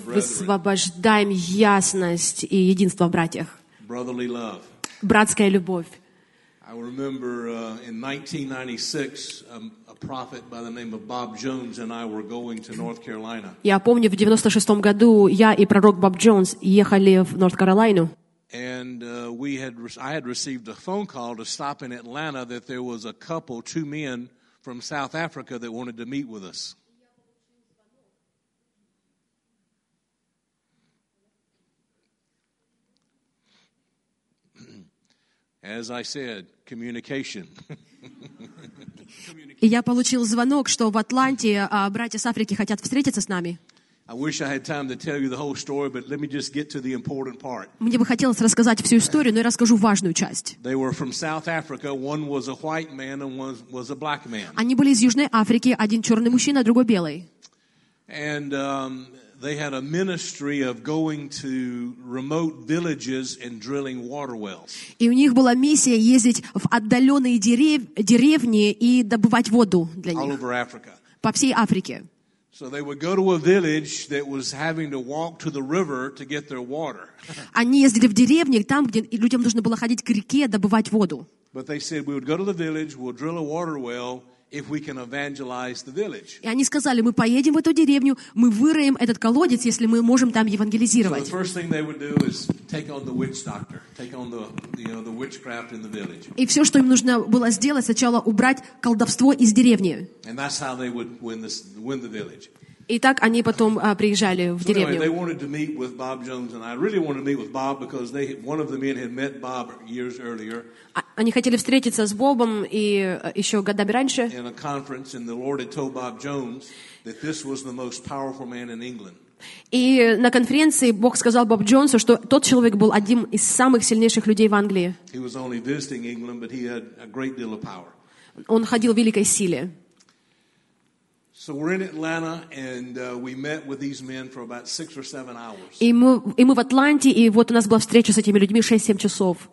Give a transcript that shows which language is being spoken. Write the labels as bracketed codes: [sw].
[ru] И высвобождаем ясность и единство в братьях. [en] Brotherly love. [ru] Братская любовь. [en] I remember in 1996 a prophet by the name of Bob Jones and I were going to North Carolina. [ru] Я помню, в 96 году я и пророк Боб Джонс ехали в Норт-Каролину. [en] And I had received a phone call to stop in Atlanta that there was a couple, two men from South Africa that wanted to meet with us. As I said, communication. [ru] И я получил звонок, что в Атланте братья с Африки хотят встретиться с нами. [en] I wish I had time to tell you the whole story, but let me just get to the important part. [ru] Мне бы хотелось рассказать всю историю, но я расскажу важную часть. [en] They were from South Africa. One was a white man, and one was a black man. [ru] Они были из Южной Африки. Один черный мужчина, другой белый. [en] And they had a ministry of going to remote villages and drilling water wells. [ru] И у них была миссия ездить в отдаленные деревни и добывать воду для них. [en] All over Africa. [ru] По всей Африке. [en] So they would go to a village that was having to walk to the river to get their water. [ru] Они ездили в деревни, там, где людям нужно было ходить к реке добывать воду. [en] But they said we would go to the village, we'll drill a water well. If we can evangelize the village. [ru] И они сказали, мы поедем в эту деревню, мы выроем этот колодец, если мы можем там евангелизировать. [en] So the first thing they would do is take on the witch doctor, take on the, you know, the witchcraft in the village. [ru] И все, что им нужно было сделать, сначала убрать колдовство из деревни. [en] And that's how they would win the village. [ru] И так они потом приезжали в деревню. [en] So anyway, they wanted to meet with Bob Jones, and I really wanted to meet with Bob because one of the men had met Bob years earlier. [ru] Они хотели встретиться с Бобом и еще годами раньше. [en] In a conference, and the Lord had told Bob Jones that this was the most powerful man in England. [ru] И на конференции Бог сказал Боб Джонсу, что тот человек был одним из самых сильнейших людей в Англии. [en] He was only visiting England, but he had a great deal of power. [ru] Он ходил в великой силе. [en] So we're in Atlanta, and we met with these men for about 6 or 7 hours. [ru] И мы в Атланте, и вот у нас была встреча с этими людьми 6-7 часов.